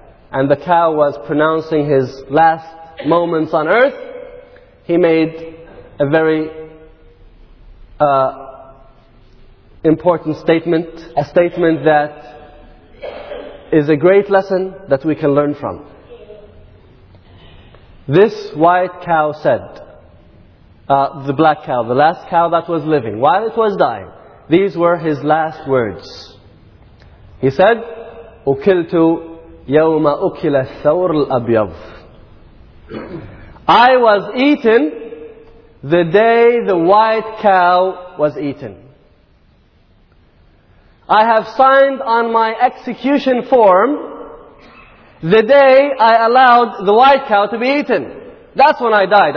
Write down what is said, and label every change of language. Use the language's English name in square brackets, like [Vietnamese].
[English] and the cow was pronouncing his last moments on earth, he made a very important statement, a statement that is a great lesson that we can learn from. This white cow said, the black cow, the last cow that was living, while it was dying, these were his last words. He said, [Arabic] أُكِلْتُ يَوْمَ أُكِلَ الثَّوْرُ الْأَبْيَضُ. [English] I was eaten the day the white cow was eaten. I have signed on my execution form the day I allowed the white cow to be eaten. That's when I died.